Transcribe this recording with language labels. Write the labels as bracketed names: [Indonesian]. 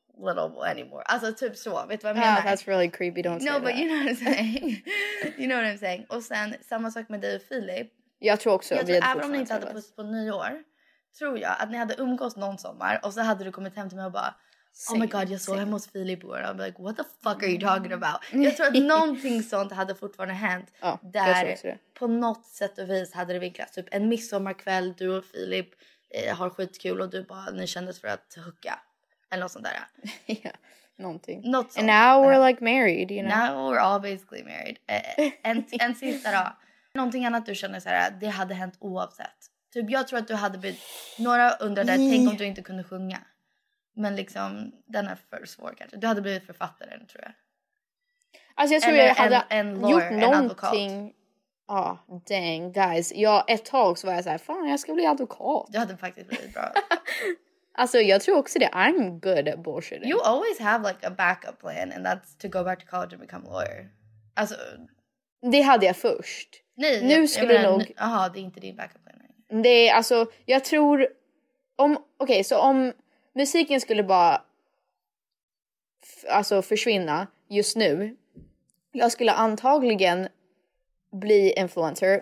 [English] little anymore. [Swedish] Alltså typ så. Vet du vad jag menar? [English] That's really creepy. Don't say no, that. No, but you know what I'm saying. You know what I'm saying. [Swedish] Och sen samma sak med dig och Filip. Jag tror också. Jag tror även om ni inte hade puss på nyår. Tror jag att ni hade umgås någon sommar. Och så hade du kommit hem till mig och bara. [English] Same, oh my god, [Swedish] jag såg hemma hos Filip. [English] Och I'm like, what the fuck are you talking about? [Swedish] Jag tror att någonting sånt hade fortfarande hänt. Ja, där på något sätt och vis hade det vinklats. Typ en midsommarkväll. Du och Filip har skitkul. Och du bara, ni kändes för att hooka. Eller något sånt där. Ja, någonting. Något sånt. [English] And now we're like married, you know. Now we're all basically married. [Swedish] En sista då. Någonting annat du känner så här, det hade hänt oavsett. Typ jag tror att du hade blivit, några undrade, tänk om du inte kunde sjunga. Men liksom, den är för svår kanske. Du hade blivit författaren, tror jag. Alltså jag tror eller jag hade en lawyer, gjort någonting. Ja, [English] oh, dang, guys. [Swedish] Ja, ett tag så var jag så här, fan jag ska bli advokat. Du hade faktiskt blivit bra. Alltså, jag tror också det. [English] I'm good at bullshitting. You always have, like, a backup plan, and that's to go back to college and become a lawyer. [Swedish] Alltså. Det hade jag först. Nej, nu skulle jag nog. Jaha, det är inte din backup plan. Det är, alltså, jag tror. Om, okej, okay, så om musiken skulle bara. Alltså, försvinna just nu. Jag skulle antagligen bli influencer.